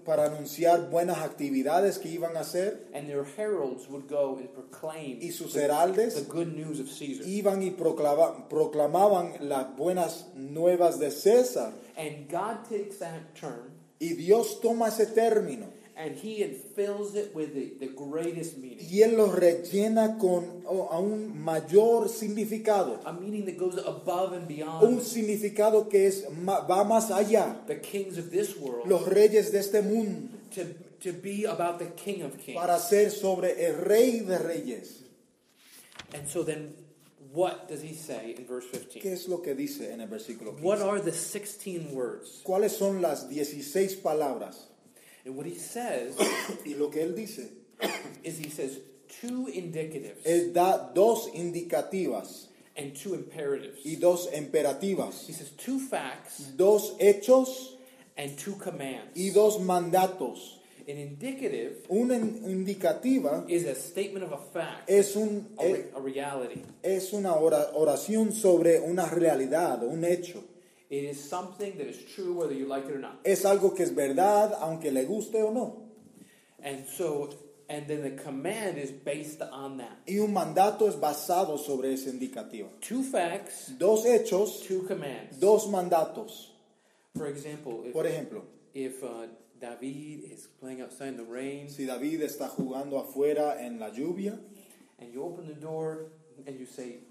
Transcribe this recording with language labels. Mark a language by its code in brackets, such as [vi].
[es] Para anunciar buenas actividades que iban a hacer. [en] And their heralds would go and proclaim [es] y sus heraldes [en] the good news of Caesar. [es] Iban y proclamaban las buenas nuevas de César. [en] And God takes that term. [es] Y Dios toma ese término. [en] And he fills it with the greatest meaning. [es] Y él lo rellena con a un mayor significado. [en] A meaning that goes above and beyond. [es] Un significado que es va más allá. [en] The kings of this world. [es] Los reyes de este mundo. [en] To be about the King of Kings. [es] Para ser sobre el Rey de Reyes. [en] And so then, what does he say in verse 15? [es] ¿Qué es lo que dice en el versículo 15? [en] What are the 16 words? [es] ¿Cuáles son las 16 palabras? [en] And what he says, [es] y lo que él dice, [en] is he says two indicatives. [es] Él da dos indicativas. [en] And two imperatives. [es] Y dos imperativas. [en] He says two facts. [es] Dos hechos. [en] And two commands. [es] Y dos mandatos. [en] An indicative. [es] Una indicativa. [en] Is a statement of a fact. [es] Es un [en] a reality. [es] Es una oración sobre una realidad, un hecho. [en] It is something that is true whether you like it or not. [es] Es algo que es verdad, aunque le guste o no. [en] And so, and then the command is based on that. [es] Y un mandato es basado sobre ese indicativo. [en] Two facts. [es] Dos hechos. [en] Two commands. [es] Dos mandatos. [en] For example, if David is playing outside in the rain. [es] Si David está jugando afuera en la lluvia. [en] And you open the door and you say.